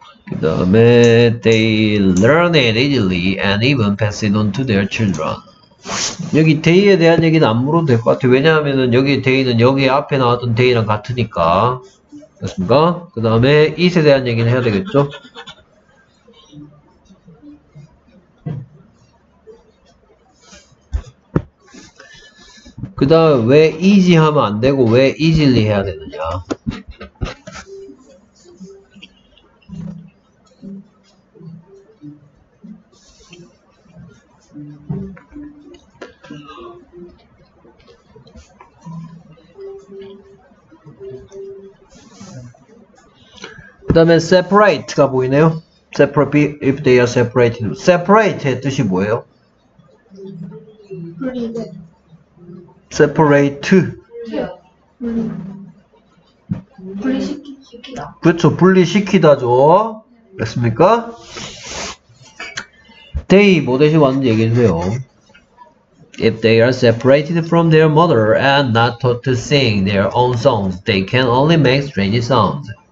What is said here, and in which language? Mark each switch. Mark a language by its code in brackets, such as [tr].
[ko] 그 다음에 [en] they learn it easily and even pass it on to their children. [ko] 여기 they에 대한 얘기는 안 물어도 될 것 같아요. 왜냐하면 여기 they는 여기 앞에 나왔던 they랑 같으니까. 됐습니까? 그 다음에 it에 대한 얘기는 해야 되겠죠? 그 다음 왜 easy 하면 안 되고 왜 easily 해야 되느냐? 그 다음에 separate가 보이네요. [en] Separate if they are separated. [ko] Separate의 뜻이 뭐예요? 세퍼레이트 분리시키다. 그렇죠. 분리시키다죠. 됐습니까? 데이 뭐 대신 왔는지 얘기해주세요. [en] If they are separated from their mother and not taught to sing their own songs, they can only make strange sounds.